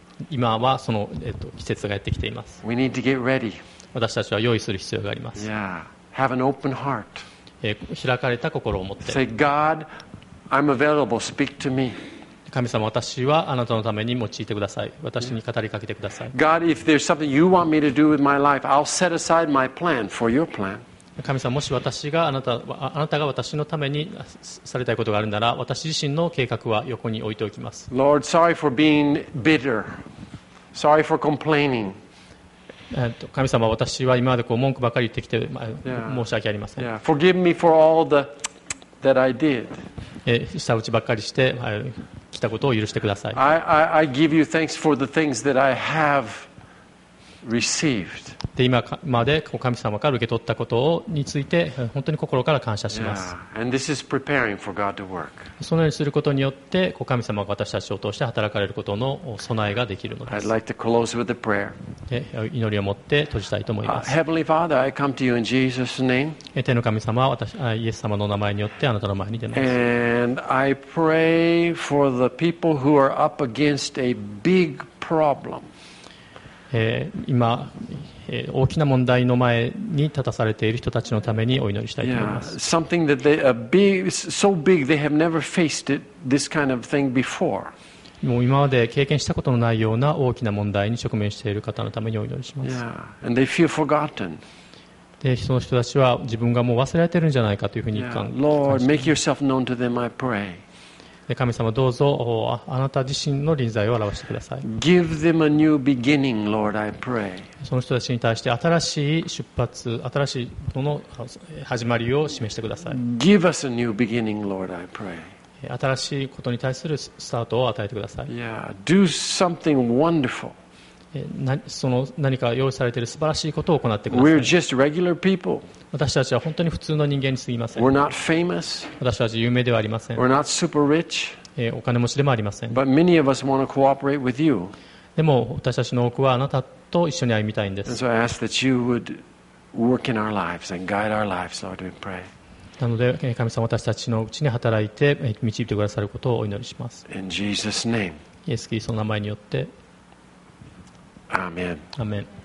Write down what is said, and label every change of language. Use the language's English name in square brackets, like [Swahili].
[Japanese] 今はその季節がやってきています。 [English] We need to get ready. [Japanese] 私たちは用意する必要があります。 [English] Yeah. Have an open heart. [Japanese] 開かれた心を持って [English] Say God, I'm available. Speak to me. [Japanese] 神様、私はあなたのために用いてください。私に語りかけてください。 [English] God, if there's something you want me to do with my life, I'll set aside my plan for your plan. [Japanese] 神様、もし私があなたが私のためにされたいことがあるなら、私自身の計画は横に置いておきます。 [English] Lord, sorry for being bitter. Sorry for complaining. [Japanese] 神様、私は今までこう文句ばかり言ってきて、申し訳ありません。 [English] Yeah. Forgive me for all the that I did. [Japanese] 下打ちばっかりして、来たことを許してください。 [English] I give you thanks for the things that I have received. [Japanese] で今まで神様から受け取ったことについて本当に心から感謝します。 [English] Yeah. And this is preparing for God to work. [Japanese] そのようにすることによって神様が私たちを通して働かれることの備えができるのです。 [English] I'd like to close with a prayer. [Japanese] 祈りを持って閉じたいと思います。 [English] Heavenly Father, I come to you in Jesus' name. [Japanese] 天の神様、イエス様の名前によってあなたの前に出ます。 [English] And I pray for the people who are up against a big problem. [Japanese] 今大きな問題の前に立たされている人たちのためにお祈りしたいと思います。 [English] Yeah, something that they are big, so big they have never faced it, this kind of thing before. [Japanese] もう今まで経験したことのないような大きな問題に直面している方のためにお祈りします。 [English] Yeah, and they feel forgotten. [Japanese] でその人たちは自分がもう忘れられているんじゃないかというふうに感じます。 [English] Lord, make yourself known to them, I pray. [Japanese] 神様どうぞあなた自身の臨在を表してください。 [English] Give them a new beginning, Lord, I pray. [Japanese] その人たちに対して新しい出発、新しいもの始まりを示してください。 [English] Give us a new beginning, Lord, I pray. [Japanese] 新しいことに対するスタートを与えてください。 [English] Yeah, do something wonderful. [Japanese] その何か用意されている素晴らしいことを行ってください。 [English] We're just regular people. [Japanese] 私たちは本当に普通の人間にすぎません。 [English] We're not famous. [Japanese] 私たち有名ではありません。 [English] We're not super rich. [Japanese] お金持ちでもありません。 [English] But many of us want to cooperate with you. [Japanese] でも私たちの多くはあなたと一緒に歩みたいんです。 [English] And so I ask that you would work in our lives and guide our lives, Lord, we pray. [Japanese] なので神様私たちのうちに働いて導いてくださることをお祈りします。 [English] In Jesus' name. [Japanese] イエス・キリストの名前によって。 [English] Amen. Amen.